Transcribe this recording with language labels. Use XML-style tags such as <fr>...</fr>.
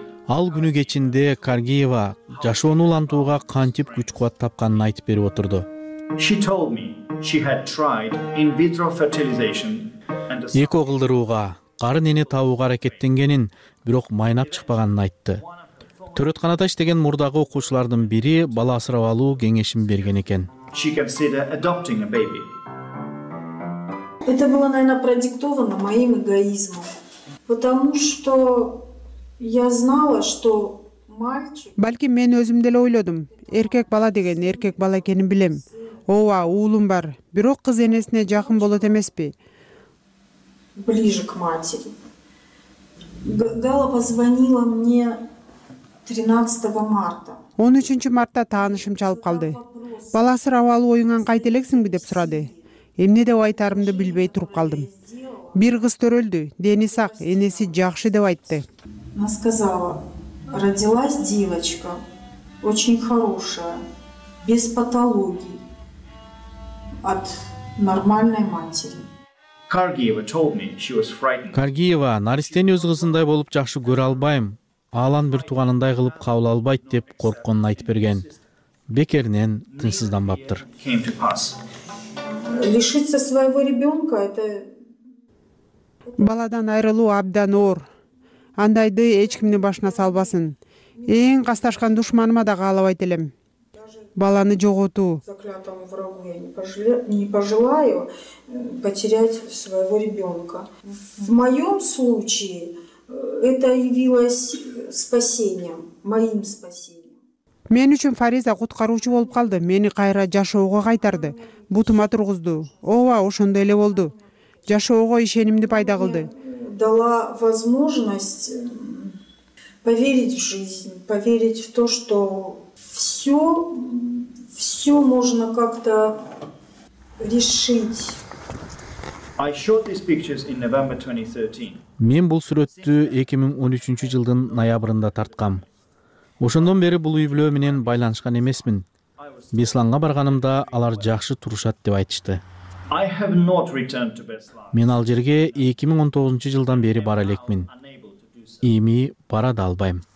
<ky>Ал күнү кечинде Каргиева жашоону улантууга кантип күч кубат тапканын айтып берип отурду.</ky> <en>She told me she had tried in vitro fertilization and</en> <ky>эко кылдырууга, карын эне табууга аракеттенгенин, бирок майнап чыкпаганын айтты. Төрөтканада иштеген мурдагы окуучулардын бири бала асырап алуу кеңешин берген экен.</ky> <en>She considered adopting a baby.</en> <ru>Это было, наверное, продиктовано моим эгоизмом. Потому что я знала, что мальчик.</ru> <ky>Балким мен өзүм деле ойлодум. Эркек бала деген эркек бала экенин билем. Ооба, уулум бар. Бирок кыз энесине жакын болот эмеспи?</ky> <ru>Ближе к матери. Гала позвонила мне 13 марта.</ru> <ky>13 мартта таанышым чалып калды. Бала асырап алуу оюнан кайта элексиңби деп сурады. Эмне деп айтарымды билбей туруп калдым. Бир кыз төрөлдү, дени сак, энеси жакшы деп айтты.</ky> <ru>Она сказала: "Родилась девочка очень хорошая, без патологии. От нормальной матери".</ru> <en>Каргиева told me she was frightened.</en> <ky>Каргиева наристени өз кызындай болуп жакшы көрө албайм, алан бир туугандай кылып кабыл албайт деп коркконун айтып берген. Бекеринен тынсызданбаптыр.</ky> <ru>Лишиться своего ребёнка это</ru> <ky>баладан айрылуу абдан оор. Андайды эч кимдин башына салбасын. Эң касташкан душманыма да каалабайт элем. Баланы жоготуу.</ky> <ru>Заклятому врагу я не пожелаю потерять своего ребенка. В моем случае это явилось спасением, моим спасением.</ru> <ky>Мен үчүн Фариза куткаруучу болуп калды, мени кайра жашоого кайтарды, бутума тургузду. Ооба, ошондой эле болду. Жашоого ишенимди пайда кылды.</ky> <ru>Дала возможность поверить в жизнь, поверить в то, что всё можно как-то решить.</ru> <en>I shot these pictures in November 2013.</en> <ky>Мен бул сүрөттү 2013 жылдын ноябрында тарткам. Ошондон бери бул үй-бүлө менен байланышкан эмесмин. Бесланга барганымда алар жакшы турушат деп айтышты. Мен ал жерге 2019 жылдан бери бара элекмин. Эми бара да албайм.</ky>